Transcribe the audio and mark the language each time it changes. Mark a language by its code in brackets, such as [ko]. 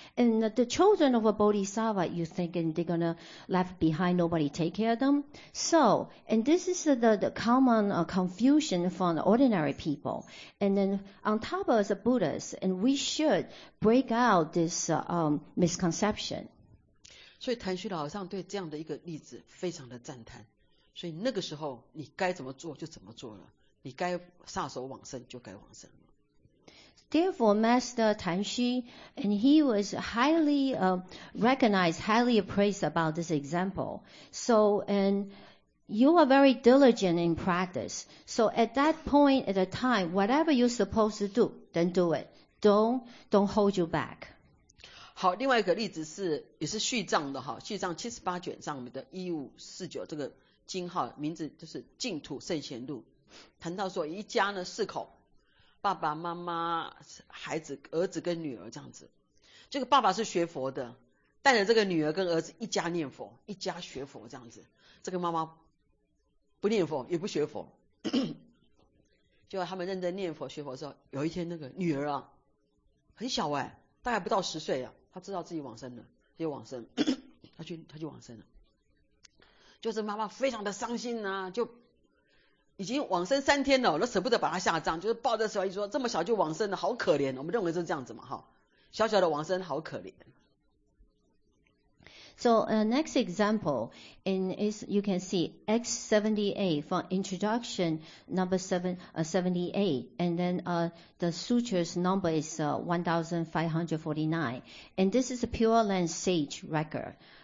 [en] And the children of a bodhisattva, you think they're gonna left behind, nobody take care of them? So, and this is the common confusion from ordinary people. And then on top of us, the Buddhists, and we should break out this misconception. [zh] 所以谭旭老上对这样的一个例子非常的赞叹。所以那个时候你该怎么做就怎么做了。你该撒手往生就该往生了。 [en] Therefore, Master Tan Xu, and he was highly recognized, highly appraised about this example. So, and you are very diligent in practice. So at that point, at the time, whatever you're supposed to do, then do it. Don't hold you back. [zh] 好，另外一个例子是，也是续藏的哈，续藏七十八卷上面的1549这个经号，名字就是净土圣贤录。谈到说一家呢四口，爸爸妈妈孩子儿子跟女儿这样子，这个爸爸是学佛的，带着这个女儿跟儿子一家念佛，一家学佛这样子，这个妈妈不念佛也不学佛，就他们认真念佛学佛之后，有一天那个女儿啊很小哎，大概不到10岁啊，她知道自己往生了，就往生她就往生了，就是妈妈非常的伤心啊，就已经往生3天了，我都舍不得把他下葬，就是抱着手一说这么小就往生了好可怜，我们认为是这样子嘛，小小的往生好可怜。 [en] So next example in is you can see X78 from introduction number 78, and then the sutures number is 1549, and this is a Pure Land sage record.